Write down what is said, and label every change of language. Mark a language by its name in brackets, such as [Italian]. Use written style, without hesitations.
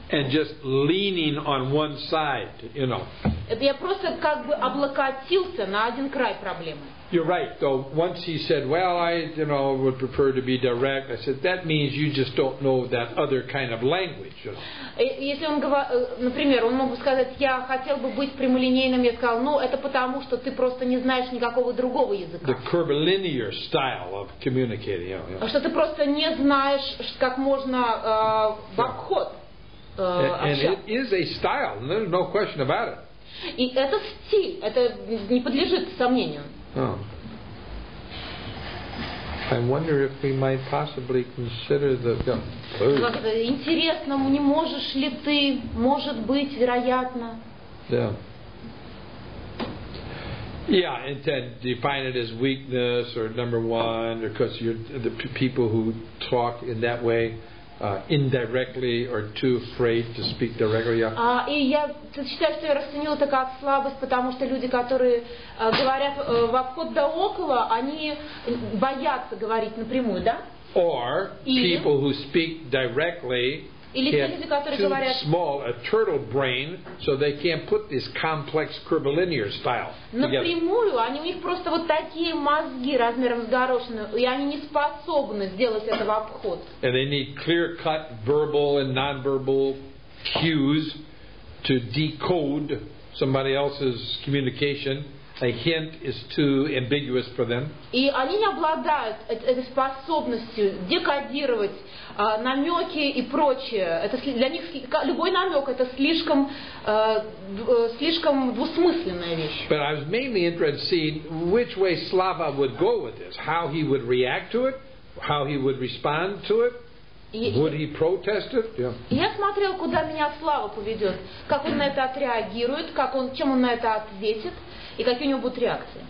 [English] And just leaning on one side, you know. [Russian] Это я просто как бы облокотился на один край проблемы. [English] You're right. Though once he said, "Well, I, you know, would prefer to be direct," I said, "That means you just don't know that other kind of language." [Russian] Если он говорит, например, он мог бы сказать, "Я хотел бы быть прямолинейным," я сказал, "Ну, это потому, что ты просто не знаешь никакого другого языка." [English] The curvilinear style of communicating. [Russian] А что ты просто не знаешь, как можно в обход общаться? [English] And it is a style. There's no question about it. [Russian] И это стиль. Это не подлежит сомнению. Oh. [English] I wonder if we might possibly consider the. [Russian] Интересно, не можешь ли ты, может быть, вероятно. [English] Yeah. Yeah, and to define it as weakness or number one, or because you're the people who talk in that way indirectly or too afraid to speak directly. Yeah. [Russian] И я считаю, что я расценила это как слабость, потому что люди, которые говорят в обход да около, они боятся говорить напрямую, да? [English] Or people who speak directly. [Russian] Или те люди, которые [English] too [Russian] говорят, [English] small, a turtle brain, so they can't put this complex curvilinear style [Russian] напрямую, они у них просто вот такие мозги размером с горошину, и они не способны сделать это в обход. [English] And they need clear-cut verbal and non-verbal cues to decode somebody else's communication. A hint is too ambiguous for them. [Russian] И они не обладают этой способностью декодировать намеки и прочее. Это для них любой намек это слишком слишком двусмысленная вещь. [English] But I was mainly interested to see which way Slava would go with this, how he would react to it, how he would respond to it. Would he protest it? Yeah. [Russian] Я смотрел, куда меня Слава поведет, как он на это отреагирует, как он, чем он на это ответит, и какие у него будут реакции.